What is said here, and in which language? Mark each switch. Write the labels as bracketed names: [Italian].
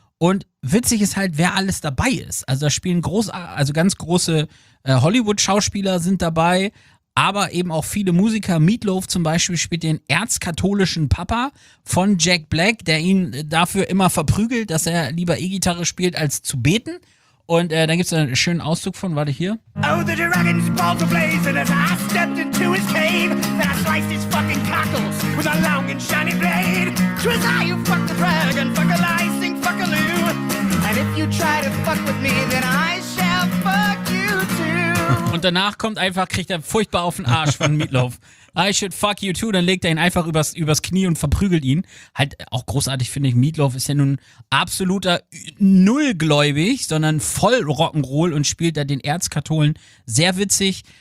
[German] Und witzig ist halt, wer alles dabei ist. Also da spielen ganz große Hollywood-Schauspieler sind dabei, aber eben auch viele Musiker. Meatloaf zum Beispiel spielt den erzkatholischen Papa von Jack Black, der ihn dafür immer verprügelt, dass er lieber E-Gitarre spielt, als zu beten. Und da gibt es einen schönen Auszug von, warte hier. [English] Oh, the dragon's balls are blazing as I stepped into his cave. And I sliced his fucking cockles with a long and shiny blade. Twas I who fucked the dragon, fuck a licing, fuck a loo. And if you try to fuck with me, then I shall fuck you too. [German] Und danach kriegt er furchtbar auf den Arsch von Meatloaf. [English] I should fuck you too, [German] dann legt er ihn einfach übers Knie und verprügelt ihn. Halt auch großartig, finde ich, Meatloaf ist ja nun absoluter Nullgläubig, sondern voll Rock'n'Roll und spielt da den Erzkatholen sehr witzig.